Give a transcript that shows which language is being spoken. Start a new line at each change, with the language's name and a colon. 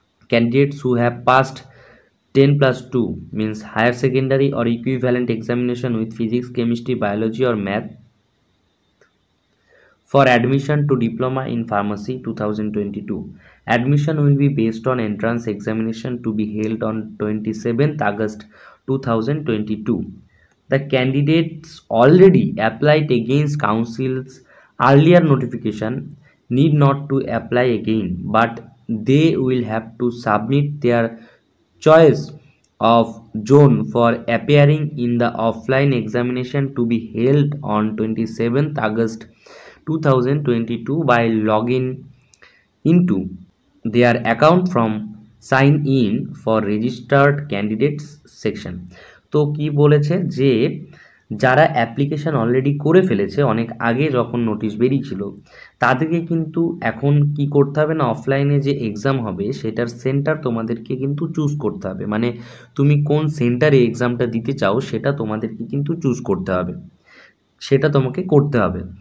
English: Candidates who have passed 10+2 means higher secondary or equivalent examination with physics chemistry biology or math for admission to diploma in pharmacy 2022। Admission will be based on entrance examination to be held on 27th August 2022। The candidates already applied against council's earlier notification need not to apply again, but they will have to submit their choice of zone for appearing in the offline examination to be held on 27th August 2022 by logging into their account from sign in for registered candidates section.
Bangla: তো কি বলেছে যে যারা application already করে ফেলেছে অনেক আগে যখন নোটিশ বেরিয়েছিল, তাদেরকে কিন্তু এখন কি করতে হবে না, অফলাইনে যে এক্সাম হবে সেটার সেন্টার তোমাদেরকে কিন্তু চুজ করতে হবে, মানে তুমি কোন সেন্টারে এক্সামটা দিতে চাও সেটা তোমাদেরকে কিন্তু চুজ করতে হবে, সেটা তোমাকে করতে হবে।